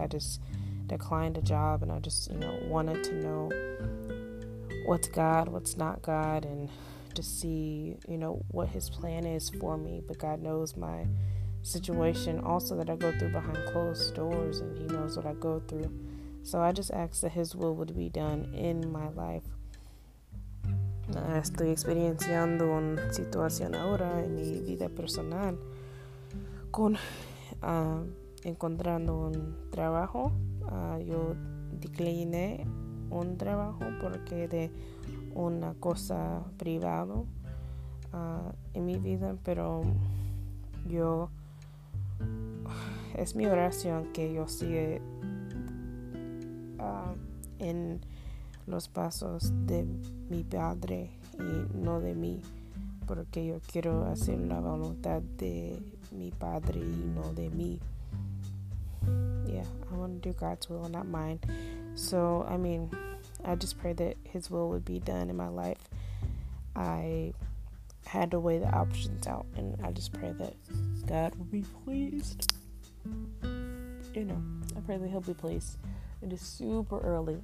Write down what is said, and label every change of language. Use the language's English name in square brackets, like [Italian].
[English] I just declined a job, and I just, you know, wanted to know what's God, what's not God, and to see, you know, what His plan is for me. But God knows my situation also, that I go through behind closed doors, and He knows what I go through. So I just ask that His will would be done in my life. [Spanish] Estoy experienciando una situación ahora en mi vida personal con encontrando un trabajo. Yo decliné un trabajo porque de una cosa privada en mi vida, pero yo, es mi oración que yo siga en los pasos de mi padre y no de mí, porque yo quiero hacer la voluntad de mi padre y no de mí. [English] Yeah, I want to do God's will, not mine. So, I mean, I just pray that His will would be done in my life. I had to weigh the options out, and I just pray that God will be pleased. You know, I pray that He'll be pleased. It is super early.